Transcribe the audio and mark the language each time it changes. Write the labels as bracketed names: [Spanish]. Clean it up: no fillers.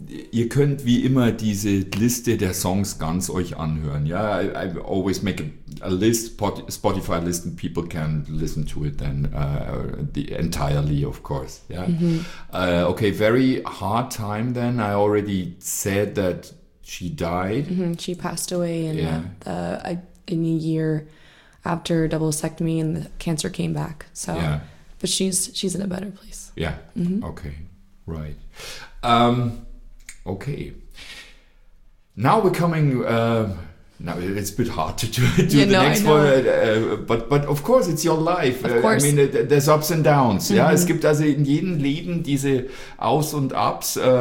[German] Ihr könnt wie immer diese Liste der Songs ganz euch anhören. [English] Ja, I always make a list, Spotify list, and people can listen to it then entirely, of course. Yeah. Mm-hmm. Okay, very hard time then. I already said that she died. Mm-hmm. She passed away in a year after her double vasectomy and the cancer came back. So, yeah. But she's in a better place. Yeah. Mm-hmm. Okay. Right. Okay. Now we're coming. Now it's a bit hard to do the next one, but of course it's your life. Of course. I mean, there's ups and downs. [German] Mm-hmm. Yeah, es gibt also in jedem Leben diese Aus und Ups.